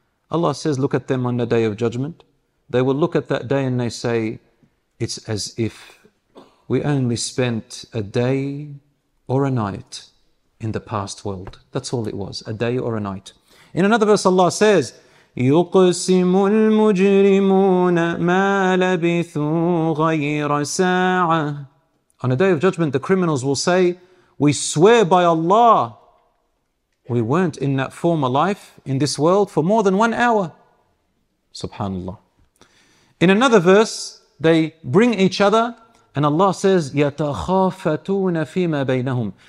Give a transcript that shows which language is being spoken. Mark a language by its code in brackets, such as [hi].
[en] Allah says, look at them on the day of judgment. They will look at that day and they say, it's as if we only spent a day or a night in the past world. That's all it was, a day or a night. In another verse, Allah says, [ar] يُقْسِمُ الْمُجْرِمُونَ مَا لَبِثُوا غَيْرَ سَاعَةً. [en] On a day of judgment, the criminals will say, we swear by Allah, we weren't in that former life in this world for more than 1 hour. Subhanallah. In another verse, they bring each other and Allah says, [ar] يَتَخَافَتُونَ فِيمَا بَيْنَهُمْ.